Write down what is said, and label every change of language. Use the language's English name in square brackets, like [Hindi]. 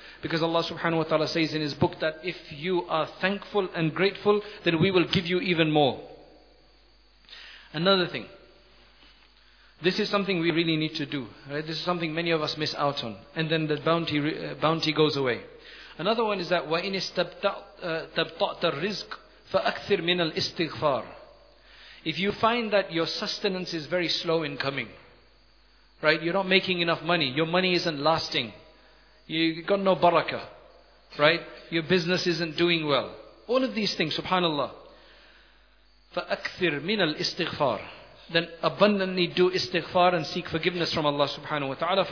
[English] Because Allah subhanahu wa ta'ala says in his book that if you are thankful and grateful, then we will give you even more. Another thing, this is something we really need to do, right? This is something many of us miss out on, and then the bounty goes away. Another one is that [Arabic] وَإِنْ اسْتَبْطَعْتَ الرِّزْقِ فَأَكْثِرْ مِنَ الْإِسْتِغْفَارِ. [English] If you find that your sustenance is very slow in coming, right, you're not making enough money, your money isn't lasting, you've got no barakah, right, your business isn't doing well, all of these things, subhanallah, [Arabic] فَأَكْثِرْ مِنَ الْإِسْتِغْفَارِ, [English] then abundantly do istighfar and seek forgiveness from Allah subhanahu wa ta'ala.